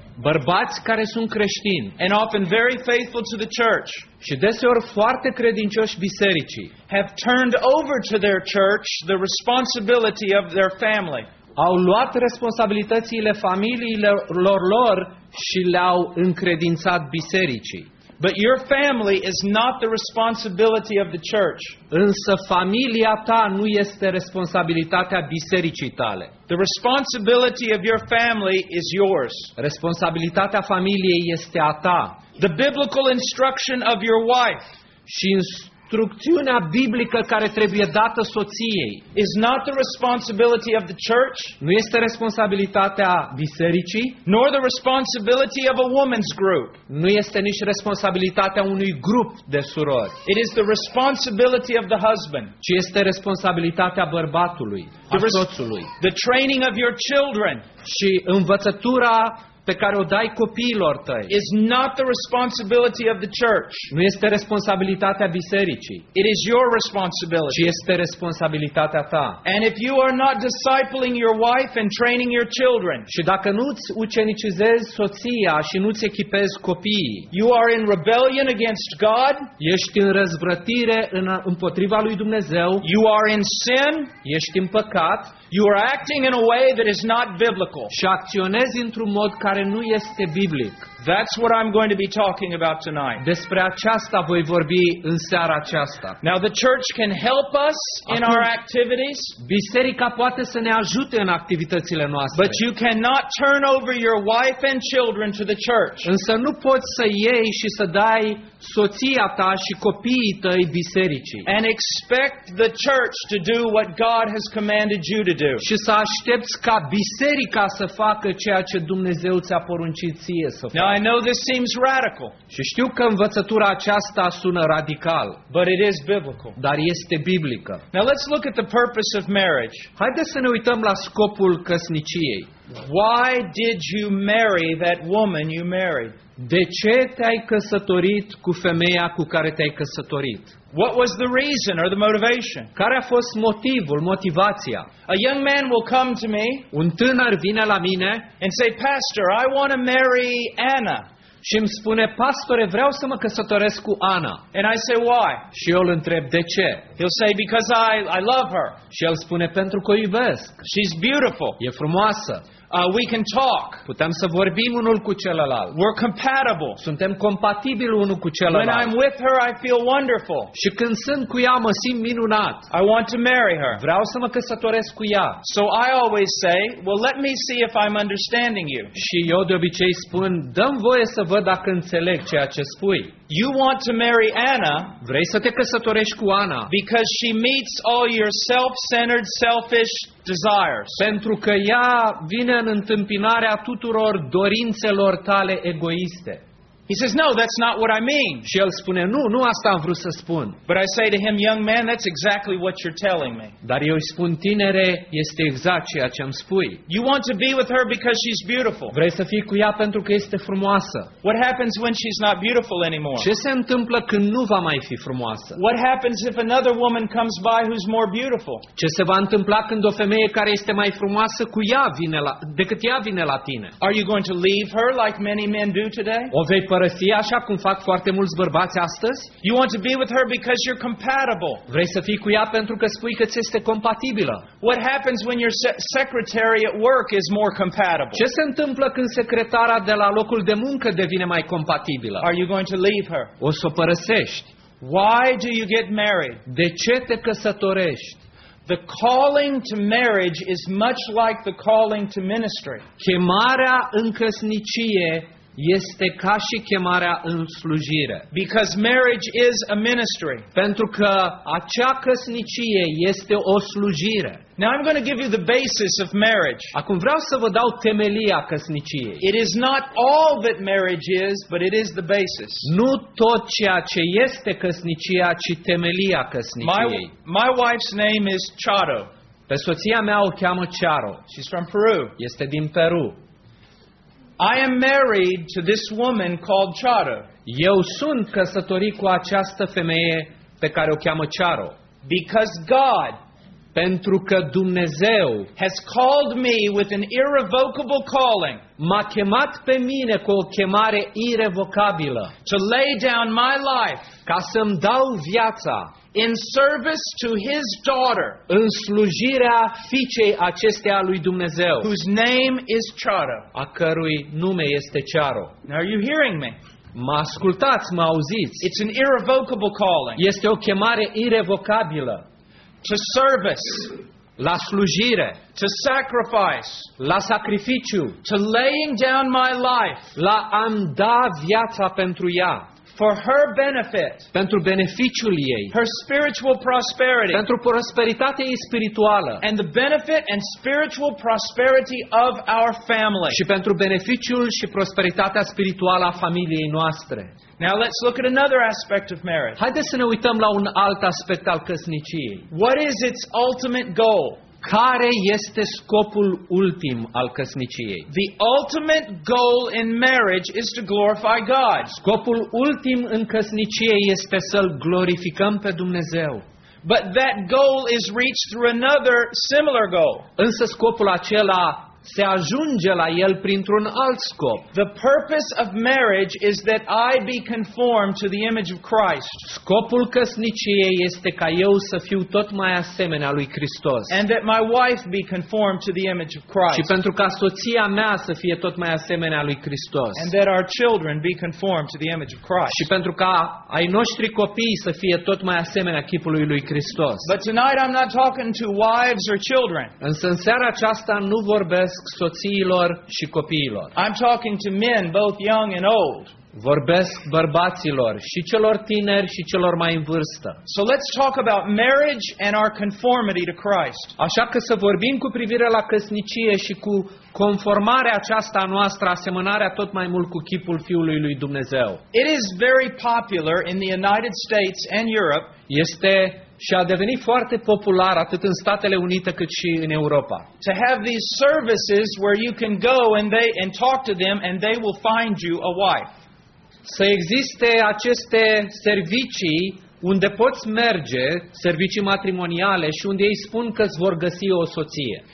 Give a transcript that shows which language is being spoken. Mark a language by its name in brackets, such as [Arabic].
[Romanian] bărbați care sunt creștini, [English] and often very faithful to the church, [Romanian] și deseori foarte credincioși bisericii, [English] have turned over to their church the responsibility of their family. [Romanian] Au luat responsabilitățile familiilor lor și le-au încredințat bisericii. [English] But your family is not the responsibility of the church. [Romanian] Însă familia ta nu este responsabilitatea bisericii tale. [English] The responsibility of your family is yours. [Romanian] Responsabilitatea familiei este a ta. [English] The biblical instruction of your wife. [Romanian] Și instrucțiunea biblică care trebuie dată soției. [English] Is not the responsibility of the church, [Romanian] nu este responsabilitatea bisericii, [English] nor the responsibility of a woman's group, [Romanian] nu este nici responsabilitatea unui grup de surori. [English] It is the responsibility of the husband, [Romanian] ci este responsabilitatea bărbatului, a soțului. [English] The training of your children, [Romanian] și învățătura pe care o dai copiilor tăi. [English] Is not the responsibility of the church. [Romanian] Nu este responsabilitatea bisericii. [English] It is your responsibility. [Romanian] Ci este responsabilitatea ta. [English] And if you are not discipling your wife and training your children, [Romanian] și dacă nu-ți ucenicizezi soția și nu-ți echipezi copiii, [English] you are in rebellion against God. [Romanian] Ești în răzvrătire împotriva lui Dumnezeu. [English] You are in sin. [Romanian] Ești în păcat. [English] You are acting in a way that is not biblical. [Romanian] Și acționezi într-un mod care nu este biblic. [English] That's what I'm going to be talking about tonight. [Romanian] Despre aceasta voi vorbi în seara aceasta. [English] Now the church can help us in our activities. [Romanian] Biserica poate să ne ajute în activitățile noastre. [English] But you cannot turn over your wife and children to the church. [Romanian] Însă nu poți să iei și să dai soția ta și copiii tăi bisericii. [English] And expect the church to do what God has commanded you to do. [Romanian] Și să aștepți ca biserica să facă ceea ce Dumnezeu ți-a poruncit ție să facă. [English] Now I know this seems radical. [Romanian] Și știu că învățătura aceasta sună radical. [English] But it is biblical. [Romanian] Dar este biblică. [English] Now let's look at the purpose of marriage. [Romanian] Haideți să ne uităm la scopul căsniciei. [English] Why did you marry that woman you married? [Romanian] De ce te-ai căsătorit cu femeia cu care te-ai căsătorit? [English] What was the reason or the motivation? [Romanian] Care a fost motivul, motivația? [English] A young man will come to me. [Romanian] Un tânăr vine la mine. [English] And say, "Pastor, I want to marry Anna." [Romanian] Și îmi spune, pastore, vreau să mă căsătoresc cu Ana. [English] And I say, why? [Romanian] Și eu îl întreb, de ce? [English] He'll say, because I love her. [Romanian] Și el spune, pentru că o iubesc. [English] She's beautiful. [Romanian] E frumoasă. [English] We can talk. [Romanian] Putem să vorbim unul cu celălalt. [English] We're compatible. [Romanian] Suntem compatibili unul cu celălalt. [English] When I'm with her, I feel wonderful. [Romanian] Și când sunt cu ea, mă simt minunat. [English] I want to marry her. [Romanian] Vreau să mă căsătoresc cu ea. [English] So I always say, well, let me see if I'm understanding you. [Romanian] Și eu de obicei spun, dă-mi voie să văd dacă înțeleg ceea ce spui. [English] You want to marry Anna? [Romanian] Vrei să te căsătorești cu Ana? [English] Because she meets all your self-centered, selfish desires. [Romanian] Pentru că ea vine în întâmpinarea tuturor dorințelor tale egoiste. [English] He says, "No, that's not what I mean." [Romanian] Și el spune, "Nu, nu asta am vrut să spun." [English] But I say to him, "Young man, that's exactly what you're telling me." [Romanian] Dar eu îi spun, tinere, este exact ceea ce îmi spui. [English] You want to be with her because she's beautiful. [Romanian] Vrei să fii cu ea pentru că este frumoasă. [English] What happens when she's not beautiful anymore? [Romanian] Ce se întâmplă când nu va mai fi frumoasă? [English] What happens if another woman comes by who's more beautiful? [Romanian] Ce se va întâmpla când o femeie care este mai frumoasă cu ea vine la decât ea vine la tine? [English] Are you going to leave her like many men do today? [Romanian] Părăsi așa cum fac foarte mulți bărbați astăzi? [English] You want to be with her because you're compatible. [Romanian] Vrei să fii cu ea pentru că spui că ți este compatibilă. [English] What happens when your secretary at work is more compatible? [Romanian] Ce se întâmplă când secretara de la locul de muncă devine mai compatibilă? [English] Are you going to leave her? [Romanian] O să o părăsești. [English] Why do you get married? [Romanian] De ce te căsătorești? [English] The calling to marriage is much like the calling to ministry. [Romanian] Chemarea în căsnicie este ca și chemarea în slujire. [English] Because marriage is a ministry. [Romanian] Pentru că acea căsnicie este o slujire. [English] Now I'm going to give you the basis of marriage. [Romanian] Acum vreau să vă dau temelia căsniciei. [English] It is not all that marriage is, but it is the basis. [Romanian] Nu tot ceea ce este căsnicia, ci temelia căsniciei. [English] My wife's name is Charo. [Romanian] Pe soția mea o cheamă Charo. [English] She's from Peru. [Romanian] Este din Peru. [English] I am married to this woman called Charo. [Romanian] Eu sunt căsătorit cu această femeie pe care o cheamă Charo. [English] Because God, [Romanian] pentru că Dumnezeu, [English] has called me with an irrevocable calling. [Romanian] M-a chemat pe mine cu o chemare irevocabilă. [English] To lay down my life, [Romanian] ca să-mi dau viața. [English] In service to his daughter, [Romanian] în slujirea fiicei acesteia lui Dumnezeu, [English] whose name is Charo, [Romanian] a cărui nume este Charo. [English] Now are you hearing me? [Romanian] Mă ascultați, mă auziți? [English] It's an irrevocable calling. [Romanian] Este o chemare irevocabilă. [English] To service, [Romanian] la slujire. [English] To sacrifice, [Romanian] la sacrificiu. [English] To laying down my life, [Romanian] la a-mi da viața pentru ea. [English] for her benefit, [Romanian] pentru beneficiul ei, [English] her spiritual prosperity, [Romanian] pentru prosperitatea ei spirituală, [English] and the benefit and spiritual prosperity of our family, [Romanian] și pentru beneficiul și prosperitatea spirituală a familiei noastre. [English] Now let's look at another aspect of marriage. [Romanian] Haideți să ne uităm la un alt aspect al căsniciei. [English] What is its ultimate goal? [Romanian] Care este scopul ultim al căsniciei? [English] The ultimate goal in marriage is to glorify God. [Romanian] Scopul ultim în căsnicie este să-L glorificăm pe Dumnezeu. [English] But that goal is reached through another similar goal. [Romanian] Însă scopul acela se ajunge la el printr-un alt scop. [English] The purpose of marriage is that I be conformed to the image of Christ. [Romanian] Scopul căsniciei este ca eu să fiu tot mai asemenea lui Hristos. [English] And that my wife be conformed to the image of Christ. [Romanian] Și pentru ca soția mea să fie tot mai asemenea lui Hristos. [English] And that our children be conformed to the image of Christ. [Romanian] Și pentru ca ai noștri copii să fie tot mai asemenea chipului lui Hristos. [English] But tonight I'm not talking to wives or children. [Romanian] Însă în seara aceasta nu vorbesc soțiilor și copiilor. [English] I'm talking to men, both young and old. [Romanian] Vorbesc bărbaților, și celor tineri și celor mai în vârstă. [English] So let's talk about marriage and our conformity to Christ. [Romanian] Așa că să vorbim cu privire la căsnicie și cu conformarea aceasta noastră, asemănarea tot mai mult cu chipul Fiului lui Dumnezeu. [English] It is very popular in the United States and Europe. [Romanian] Este și a devenit foarte popular atât în Statele Unite cât și în Europa. [English] To have these services where you can go and they and talk to them and they will find you a wife. [Romanian] Să existe aceste servicii unde poți merge, servicii matrimoniale, și unde ei spun că îți vor găsi o soție.